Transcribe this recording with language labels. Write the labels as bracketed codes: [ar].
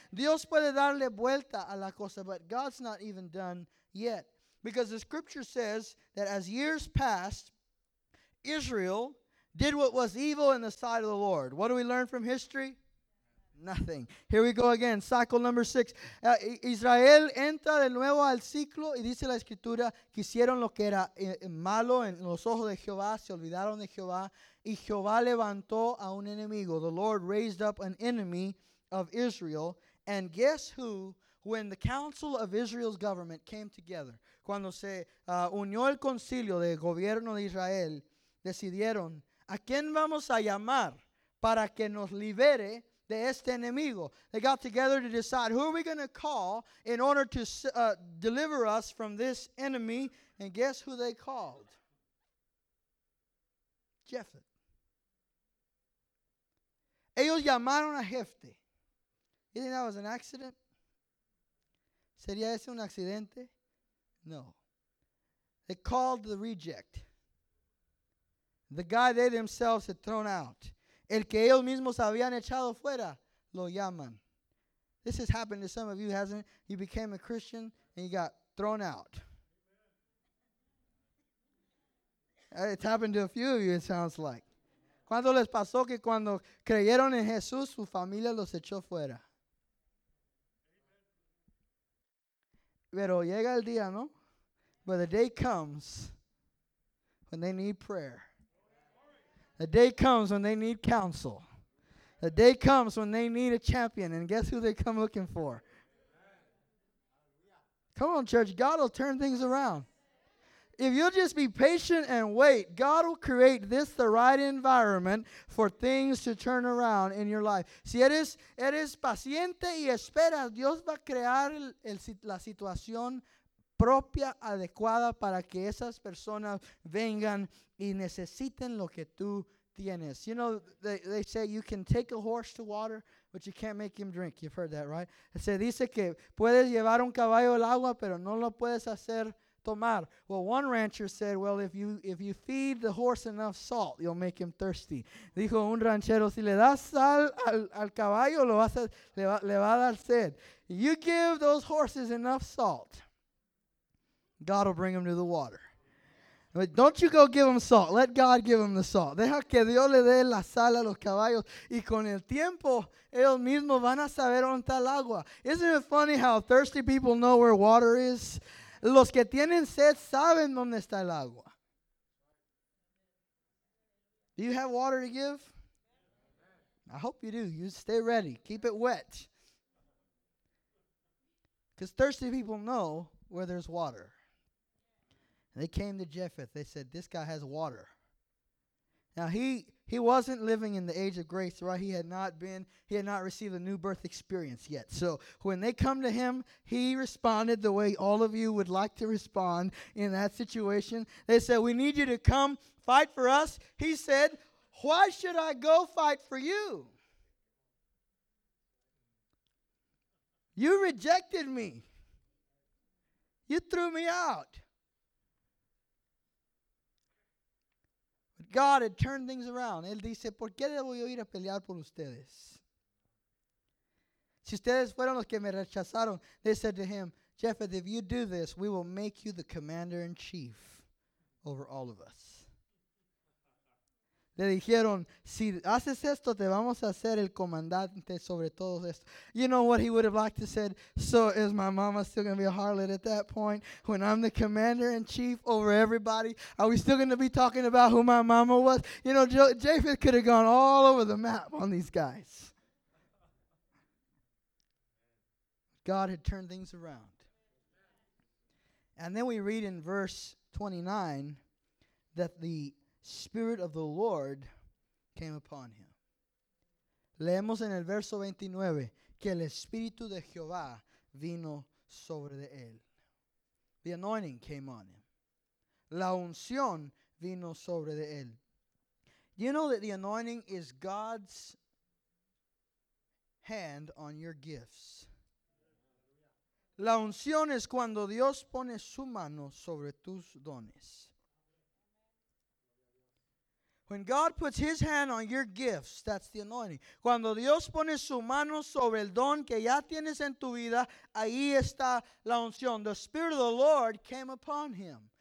[es] Dios puede darle vuelta a la cosa, [en] but God's not even done yet. Because the scripture says that as years passed, Israel did what was evil in the sight of the Lord. What do we learn from history? Nothing. Here we go again. Cycle number 6. [es] Israel entra de nuevo al ciclo y dice la escritura que hicieron lo que era malo en los ojos de Jehová, se olvidaron de Jehová, y Jehová levantó a un enemigo. [en] The Lord raised up an enemy of Israel. And guess who? When the council of Israel's government came together, [es] cuando se unió el concilio de gobierno de Israel, decidieron, ¿a quién vamos a llamar para que nos libere de este enemigo? [en] They got together to decide, who are we going to call in order to deliver us from this enemy? And guess who they called? Jephthah. [es] Ellos llamaron a Jephthah. [en] You think that was an accident? [es] ¿Sería ese un accidente? No. [en] They called the reject. The guy they themselves had thrown out. [es] El que ellos mismos habían echado fuera, lo llaman. [en] This has happened to some of you, hasn't it? You became a Christian and you got thrown out. It's happened to a few of you, it sounds like. [es] ¿Cuándo les pasó que cuando creyeron en Jesús, su familia los echó fuera? Pero llega el día, ¿no? [en] But the day comes when they need prayer. The day comes when they need counsel. The day comes when they need a champion. And guess who they come looking for? Come on, church. God will turn things around. If you'll just be patient and wait, God will create this the right environment for things to turn around in your life. [es] Si eres paciente y esperas, Dios va a crear la situación propia, adecuada para que esas personas vengan y necesiten lo que tú tienes. [en] You know, they say you can take a horse to water, but you can't make him drink. You've heard that, right? [es] Se dice que puedes llevar un caballo al agua, pero no lo puedes hacer tomar. [en] Well, one rancher said, well, if you feed the horse enough salt, you'll make him thirsty. [es] Dijo un ranchero, si le das sal al caballo, le va a dar sed. [en] You give those horses enough salt, God will bring them to the water. But don't you go give them salt. Let God give them the salt. [es] Deja que Dios le dé la sal a los caballos. Y con el tiempo, ellos mismos van a saber dónde está el agua. [en] Isn't it funny how thirsty people know where water is? [es] Los que tienen sed saben dónde está el agua. [en] Do you have water to give? I hope you do. You stay ready. Keep it wet. Because thirsty people know where there's water. They came to Jephthah. They said, this guy has water. Now, he wasn't living in the age of grace, right? He had not received a new birth experience yet. So when they come to him, he responded the way all of you would like to respond in that situation. They said, we need you to come fight for us. He said, why should I go fight for you? You rejected me. You threw me out. God had turned things around. [es] Él dice, ¿por qué debo yo ir a pelear por ustedes? Si ustedes fueron los que me rechazaron, [en] they said to him, Jephthah, if you do this, we will make you the commander in chief over all of us. [es] Le dijeron, si haces esto, te vamos a hacer el comandante sobre todo esto. [en] You know what he would have liked to have said? So is my mama still going to be a harlot at that point? When I'm the commander in chief over everybody, are we still going to be talking about who my mama was? You know, Japheth could have gone all over the map on these guys. God had turned things around. And then we read in verse 29 that the Spirit of the Lord came upon him. [es] Leemos en el verso 29 que el Espíritu de Jehová vino sobre de él. [en] The anointing came on him. [es] La unción vino sobre de él. [en] Do you know that the anointing is God's hand on your gifts? [es] La unción es cuando Dios pone su mano sobre tus dones. [en] When God puts his hand on your gifts, that's the anointing. [es] Cuando Dios pone su mano sobre el don que ya tienes en tu vida, ahí está la unción. [en] The Spirit of the Lord came upon him.